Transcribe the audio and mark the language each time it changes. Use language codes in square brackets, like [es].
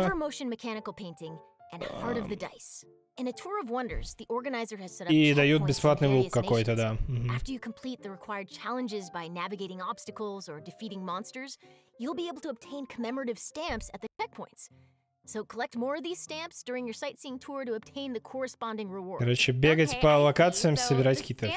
[en] Evermotion mechanical painting, and Heart of the Dice. In a tour of wonders, the organizer has set up [ru] и дают бесплатный лук какой-то, да. [en] After you complete the required challenges by navigating obstacles or defeating monsters, you'll be able to obtain commemorative stamps at the checkpoints. So collect more of these stamps during your sightseeing tour to obtain the corresponding reward. [ru] Короче, бегать по локациям, собирать какие-то